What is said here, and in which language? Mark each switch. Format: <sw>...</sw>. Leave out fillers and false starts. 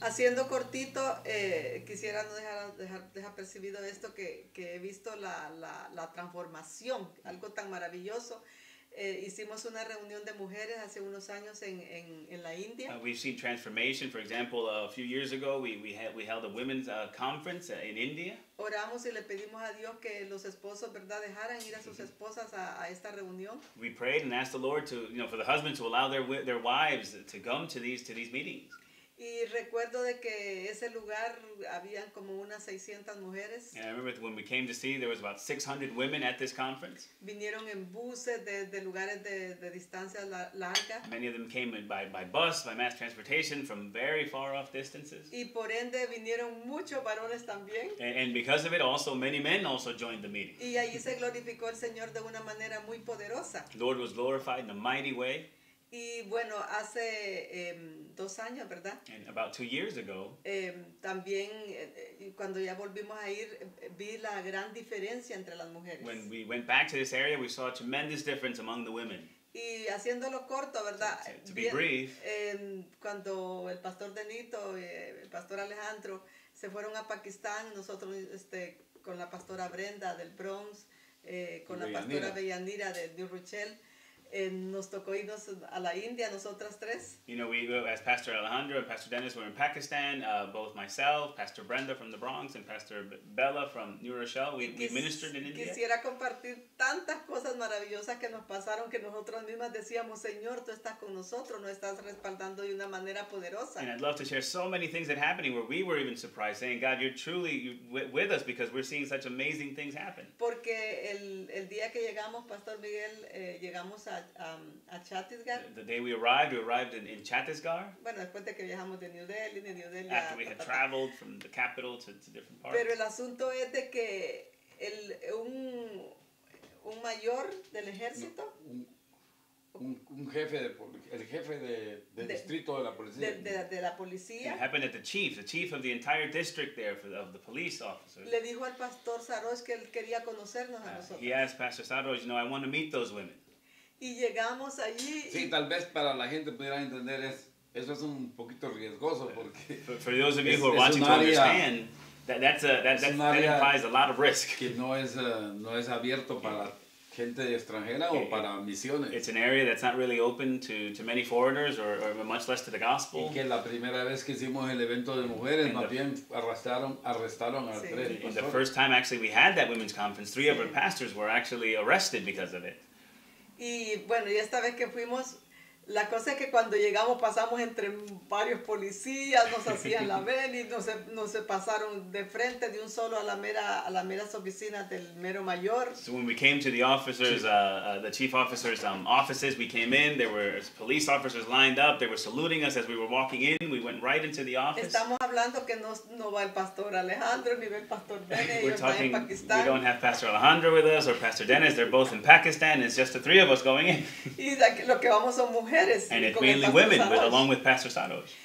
<es>Haciendo cortito, quisiera no dejar percibido esto que he visto la transformación, algo tan maravilloso. Hicimos una reunión de mujeres hace unos años en la India.</es> <en>We've seen transformation. For example, a few years ago, we held a women's conference in India.</en> <es>Oramos y le pedimos a Dios que los esposos, ¿verdad?, dejaran ir a sus esposas a esta reunión.</es> <en>We prayed and asked the Lord to, you know, for the husbands to allow their wives to come to these meetings.</en> <es>Y recuerdo de que ese lugar habían como unas 600 mujeres.</es> <en>And I remember when we came to see, there was about 600 women at this conference.</en> <es>Vinieron en buses de lugares de distancias largas.</es> <en>Many of them came by bus, by mass transportation, from very far off distances.</en> <es>Y por ende vinieron muchos varones también.</es> <en>And because of it, also many men also joined the meeting.</en> <es>Y allí se glorificó el Señor de una manera muy poderosa.</es> <en>The Lord was glorified in a mighty way.</en> <es>Y bueno, hace dos años, ¿verdad?</es> <en>And about 2 years ago.</en> <es>También, cuando ya volvimos a ir, vi la gran diferencia entre las mujeres.</es> <en>When we went back to this area, we saw a tremendous difference among the women.</en> <es>Y haciéndolo corto, ¿verdad?</es> <en>To be brief.</en> <es>Cuando el pastor Denito, el pastor Alejandro, se fueron a Pakistán, nosotros con la pastora Brenda del Bronx, con la pastora Bellanira de New Rochelle, nos tocó irnos a la India, nosotras tres.</es> <en>You know, we as Pastor Alejandro and Pastor Dennis were in Pakistan, both myself, Pastor Brenda from the Bronx, and Pastor Bella from New Rochelle, we ministered in India.</en> <es>Quisiera compartir tantas cosas maravillosas que nos pasaron que nosotros mismas decíamos, Señor, tú estás con nosotros, nos estás respaldando de una manera poderosa.</es> <en>And I'd love to share so many things that happened where we were even surprised, saying, God, you're truly with us because we're seeing such amazing things happen.</en> <es>Porque el día que llegamos, Pastor Miguel, llegamos a Chattisgarh.</es> <en>The day we arrived in Chattisgarh.</en> <es>Bueno, después de que viajamos de New Delhi,</es> <en>after we had traveled from the capital to different parts.</en> <es>Pero el asunto es de que un mayor del ejército. Un jefe de el jefe de distrito de la policía. De la policía.</es> <en>It happened at the chief of the entire district there of the police officer.</en> <es>Le dijo al pastor Saroj que él quería conocernos a nosotros.</es> <en>He asked Pastor Saroj, you know, I want to meet those women.</en> <es>y llegamos allí. Sí, y... tal vez para la gente pudiera entender es, eso es un poquito riesgoso porque...</es> <en>For those of you who are watching to understand, that implies a lot of risk.</en> <es>Que no es, no es abierto para... gente extranjera o para misiones.</es> <en>It's an area that's not really open to many foreigners or much less to the gospel.</en> <es>Y que la primera vez que hicimos el evento de mujeres, más bien arrestaron a tres.</es> <en>And the first time actually we had that women's conference, three of our pastors were actually arrested because of it.</en> <es>Y bueno, y esta vez que fuimos, la cosa es que cuando llegamos pasamos entre varios policías, nos hacían la ven y nos pasaron de frente de un solo a la mera oficina del mero mayor.</es> <en>So when we came to the officers, the chief officers' offices, we came in, there were police officers lined up, they were saluting us as we were walking in, we went right into the office.</en> <es>Estamos hablando que no va el pastor Alejandro ni el pastor Dennis, ellos están en Pakistán.</es> <en>We don't have Pastor Alejandro with us or Pastor Dennis, they're both in Pakistan, it's just the three of us going in.</en> <es>Y lo que vamos son mujeres.</es> <en>And it's mainly women, but along with Pastor Saros.</en>